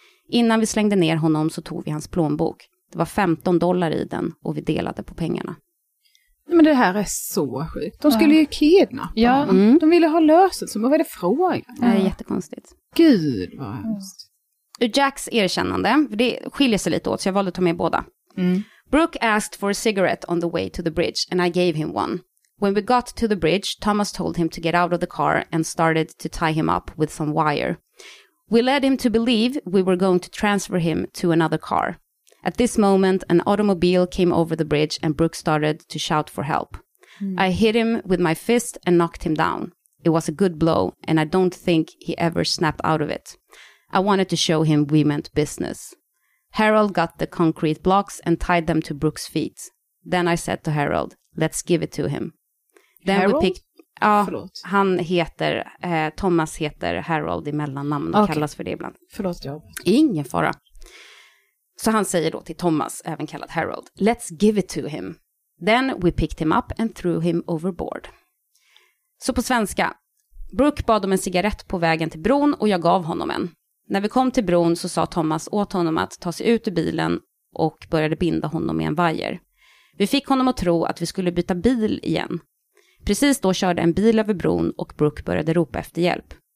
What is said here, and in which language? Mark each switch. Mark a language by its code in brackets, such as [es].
[sv] Innan vi slängde ner honom så tog vi hans plånbok. Det var $15 i den och vi delade på pengarna. Men det här är så sjukt. De skulle ju kidnappa. Ja. Mm. De ville ha lösen, så vad är det frågan? Det är jättekonstigt. Gud vad hemskt. Ur Jacks erkännande, för det skiljer sig lite åt så jag valde att ta med båda. Mm. [en] Brooke asked for a cigarette on the way to the bridge and I gave him one. When we got to the bridge, Thomas told him to get out of the car and started to tie him up with some wire. We led him to believe we were going to transfer him to another car. At this moment, an automobile came over the bridge and Brooke started to shout for help. Mm. I hit him with my fist and knocked him down. It was a good blow and I don't think he ever snapped out of it. I wanted to show him we meant business. Harold got the concrete blocks and tied them to Brooke's feet. Then I said to Harold, let's give it to him. Then Harold? We picked, [sv] han heter, Thomas heter Harold i mellannamn och okay. Kallas för det ibland. Förlåt, jag. Ingen fara. Så han säger då till Thomas, även kallad Harold, [en] let's give it to him. Then we picked him up and threw him overboard. [sv] Så på svenska, Brooke bad om en cigarett på vägen till bron och jag gav honom en. När vi kom till bron så sa Thomas åt honom att ta sig ut ur bilen och började binda honom med en vajer. Vi fick honom att tro att vi skulle byta bil igen. Precis då körde en bil över bron och Brooke började ropa efter hjälp.